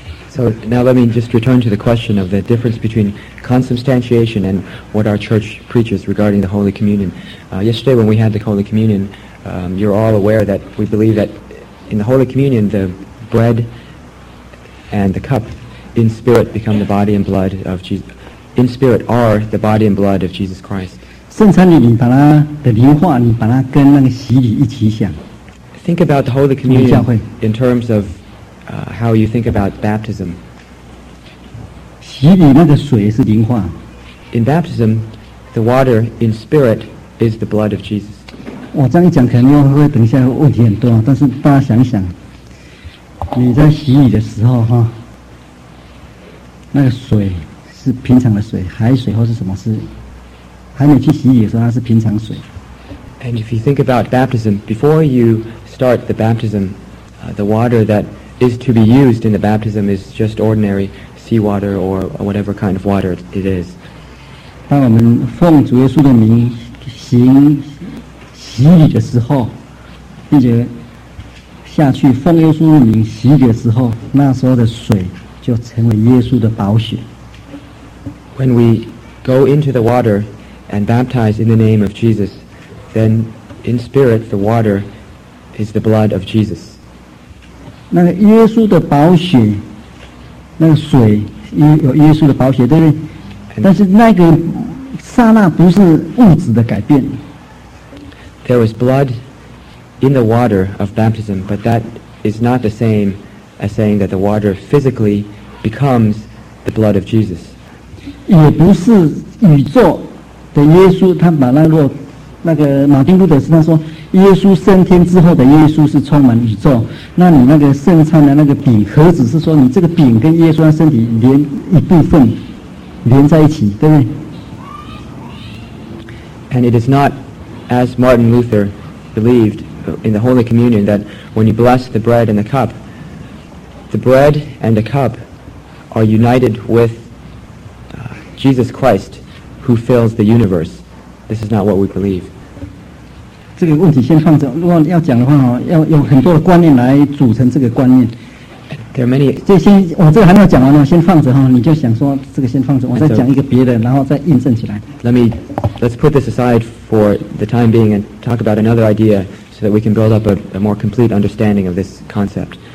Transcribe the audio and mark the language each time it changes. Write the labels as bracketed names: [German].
[English] So now let me just return to the question of the difference between consubstantiation and what our church preaches regarding the Holy Communion. Yesterday when we had the Holy Communion, you're all aware that we believe that in the Holy Communion, the bread and the cup in spirit become the body and blood of Jesus. In spirit are the body and blood of Jesus Christ. [Chinese] 圣餐礼你把它的灵化你把它跟那个洗礼一起想 [English] Think about the Holy Communion in terms of、how you think about baptism [Chinese] 洗礼那个水是灵化 [English] In baptism, the water in spirit is the blood of Jesus [Chinese] 我这样一讲可能会等一下问题很多但是大家想一想你在洗礼的时候哈，那个水是平常的水海水或是什么是还没去洗礼的时候它是平常水 [English] And if you think about baptism before you start the baptism、the water that is to be used in the baptism is just ordinary seawater or whatever kind of water it is [Chinese] 当我们奉主耶稣的名行洗礼的时候并且下去奉耶稣的名洗礼的时候那时候的水就成为耶稣的宝血 [English] When we go into the waterand baptized in the name of Jesus, then in spirit, the water is the blood of Jesus. [Chinese] 那个耶稣的宝血，那个水有耶稣的宝血，对不对？ [English] And、 [Chinese] 但是那个刹那不是物质的改变。 [English] There is blood in the water of baptism, but that is not the same as saying that the water physically becomes the blood of Jesus. [Chinese] 也不是宇宙的耶稣他把那个那个马丁路德斯他说耶稣升天之后的耶稣是充满宇宙那你那个圣餐的那个饼盒子是说你这个饼跟耶稣的身体连一部分连在一起对不对 [English] And it is not as Martin Luther believed in the Holy Communion that when you bless the bread and the bread and the cup are united with、Jesus ChristWho fills the universe? This is not what we believe. [Chinese] 这个问题先放着。如果要讲的话，要有很多的观念来组成这个观念。 [English] There are many. [Chinese] 这先，我这个还没有讲完呢，先放着哈。你就想说这个先放着，我再讲一个别的，然后再印证起来。 [English] Let's put this aside for the time being and talk about another idea so that we can build up a more complete understanding of this concept.